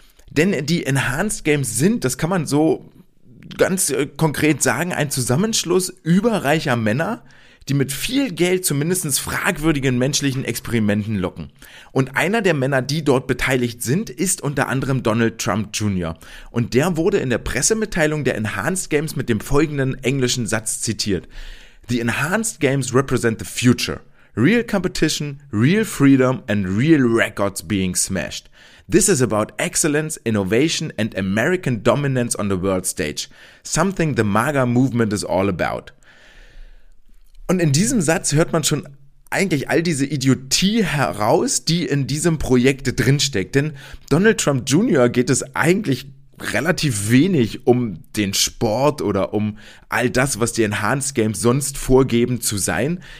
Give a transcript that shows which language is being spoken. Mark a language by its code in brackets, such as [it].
[de] Denn die Enhanced Games sind, das kann man so ganz konkret sagen, ein Zusammenschluss überreicher Männer, die mit viel Geld zumindest fragwürdigen menschlichen Experimenten locken. Und einer der Männer, die dort beteiligt sind, ist unter anderem Donald Trump Jr. Und der wurde in der Pressemitteilung der Enhanced Games mit dem folgenden englischen Satz zitiert. [en] The Enhanced Games represent the future. Real competition, real freedom and real records being smashed. This is about excellence, innovation and American dominance on the world stage. Something the MAGA movement is all about. [de] Und in diesem Satz hört man schon eigentlich all diese Idiotie heraus, die in diesem Projekt drinsteckt. Denn Donald Trump Jr. geht es eigentlich relativ wenig um den Sport oder um all das, was die Enhanced Games sonst vorgeben zu sein.